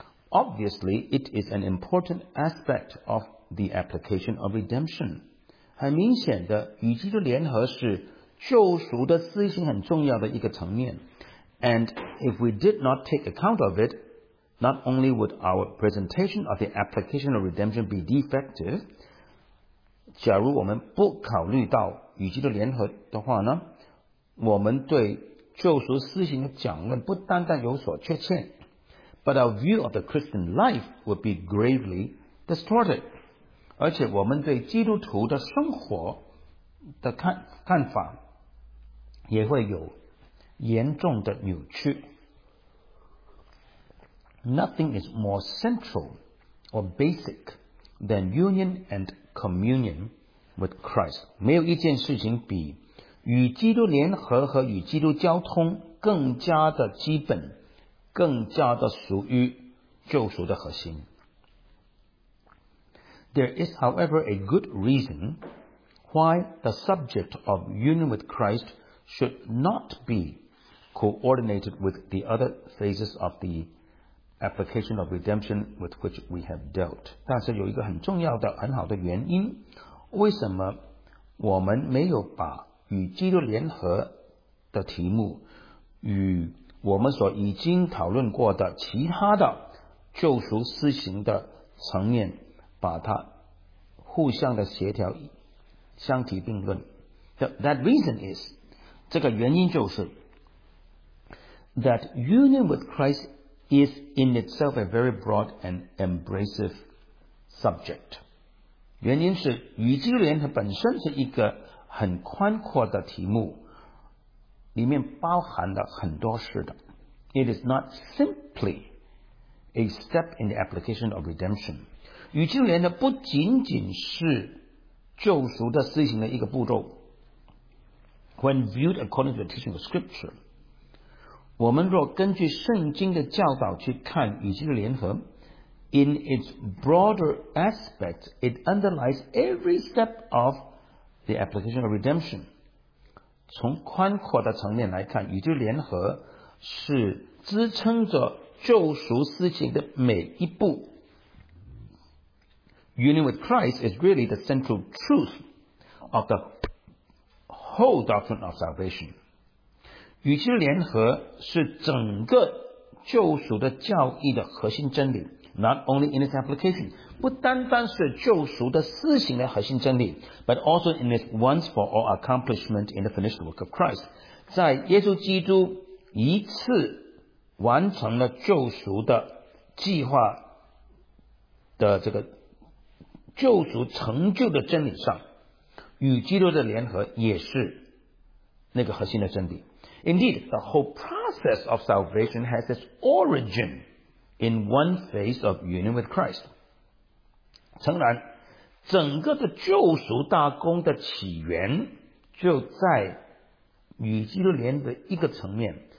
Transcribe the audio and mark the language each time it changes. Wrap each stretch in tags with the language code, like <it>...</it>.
<en>Obviously, it is an important aspect of the application of redemption.</en> <zh>很明显的，与基督联合是救赎的事情很重要的一个层面。</zh> <en>And if we did not take account of it, not only would our presentation of the application of redemption be defective,</en> <zh>假如我们不考虑到与基督联合的话呢，我们对救赎事情的讲论不单单有所缺陷。</zh> <en>But our view of the Christian life would be gravely distorted.</en> <zh>而且我们对基督徒的生活的 看法也会有严重的扭曲。</zh> <en>Nothing is more central or basic than union and communion with Christ.</en> <zh>没有一件事情比与基督联合和与基督交通更加的基本更加的属于救赎的核心。</zh> <en>There is, however, a good reason why the subject of union with Christ should not be coordinated with the other phases of the application of redemption with which we have dealt.</en> <zh>但是有一个很重要的、很好的原因，为什么我们没有把与基督联合的题目与我们所已经讨论过的其他的救赎施行的层面把它互相的协调相提并论</zh> <en>That reason is</en> <zh>这个原因就是</zh> <en>That union with Christ is in itself a very broad and embracive subject</en> <zh>原因是与基督联合本身是一个很宽阔的题目里面包含了很多事的</zh> <en>It is not simply a step in the application of redemption.</en> <zh>与基督联合不仅仅是救赎的施行的一个步骤。</zh> <en>When viewed according to the teaching of Scripture,</en> <zh>我们若根据圣经的教导去看与基督联合</zh> <en>in its broader aspect, it underlies every step of the application of redemption.</en> <zh>从宽阔的层面来看，与基督联合是支撑着救赎事情的每一步。</zh> <en>Union with Christ is really the central truth of the whole doctrine of salvation.</en> <zh>与基督联合是整个救赎的教义的核心真理。</zh> <en>Not only in its application,</en> <zh>不单单是救赎的施行的核心真理</zh> <en>but also in its once for all accomplishment in the finished work of Christ.</en> <zh>在耶稣基督一次完成了救赎的计划的这个救赎成就的真理上与基督的联合也是那个核心的真理。</zh> <en>Indeed, the whole process of salvation has its origin. In one phase of union with Christ.</en> <zh>诚然，整个的救赎大功的起源就在与基督联的一个层面。</zh>